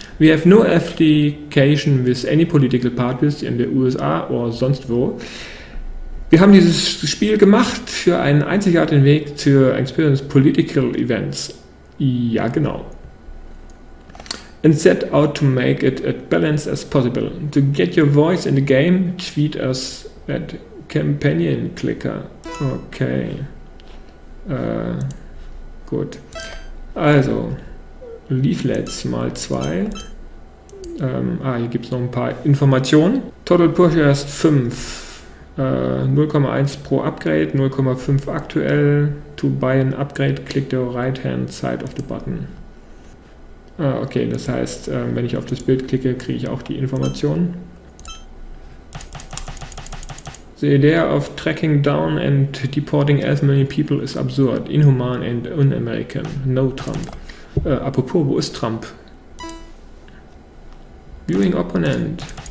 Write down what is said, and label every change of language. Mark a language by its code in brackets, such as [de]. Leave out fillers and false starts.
[en] We have no affiliation with any political parties in the USA or [de] sonst wo. Wir haben dieses Spiel gemacht für einen einzigartigen Weg zu [en] experience political events. [de] Ja, genau. [en] And set out to make it as balanced as possible. To get your voice in the game, tweet us at Campaign Clicker. Okay. [de] Gut. Also, Leaflets mal 2. Hier gibt es noch ein paar Informationen. Total Push erst 5. 0,1 pro Upgrade, 0,5 aktuell. [en] To buy an upgrade, click the right hand side of the button. [de] Ah, okay, das heißt, wenn ich auf das Bild klicke, kriege ich auch die Informationen. [en] The idea of tracking down and deporting as many people is absurd, inhuman and un-American. No Trump. [de] Apropos, wo ist Trump? [en] Viewing opponent.